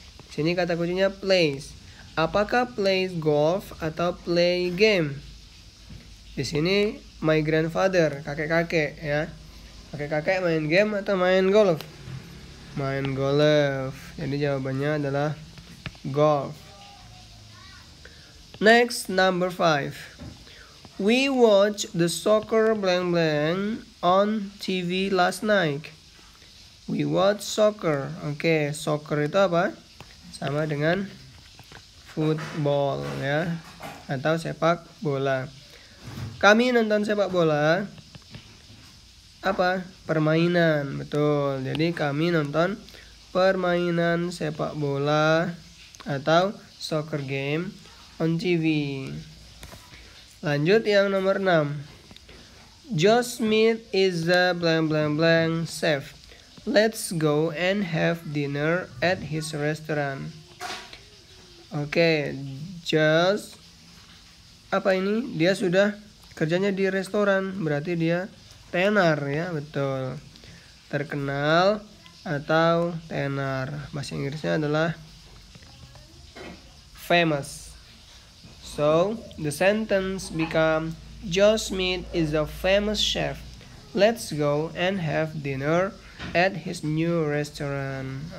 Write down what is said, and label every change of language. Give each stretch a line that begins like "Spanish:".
Indonesian: Sini kata kuncinya plays. Apakah plays golf atau play game? Di sini
English: my grandfather,
Indonesian: kakek-kakek, ya. Kakek-kakek main game atau main golf? Main golf. Jadi jawabannya adalah golf.
English: Next, number 5. We watch the soccer blank blank on TV last night. We watch soccer.
Indonesian: Oke, soccer itu apa? Sama dengan football, ya, atau sepak bola. Kami nonton sepak bola. Apa? Permainan, betul. Jadi kami nonton permainan sepak bola atau
English: soccer game on TV.
Indonesian: Lanjut yang nomor 6.
English: Joe Smith is a blank blank blank chef. Let's go and have dinner at his restaurant.
Indonesian: Oke, just apa ini? Dia sudah kerjanya di restoran, berarti dia tenar, ya, betul. Terkenal atau tenar. Bahasa Inggrisnya adalah famous.
English: So, the sentence become Joe Smith is a famous chef. Let's go and have dinner at his new restaurant.